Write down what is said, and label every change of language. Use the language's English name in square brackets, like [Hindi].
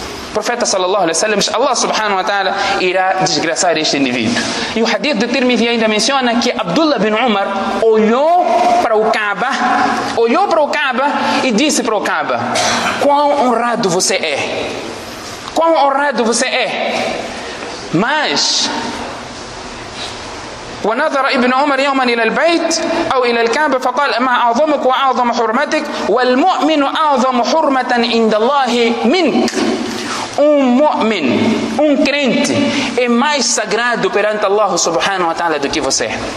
[Portuguese] O profeta sallallahu alaihi wasallam, Allah subhanahu wa ta'ala irá desgraçar este indivíduo. E o hadith de Tirmidhi ainda menciona que Abdullah bin Umar olhou para o Kaaba e disse para o Kaaba: quão honrado você é, quão honrado você é. [Arabic] Mas ونظر ابن عمر يوما الى البيت او الى الكعبه فقال ما اعظمك واعظم حرمتك والمؤمن اعظم حرمه عند الله منك. [Portuguese] Um mu'min, um crente, é mais sagrado perante Allah subhanahu wa ta'ala do que você.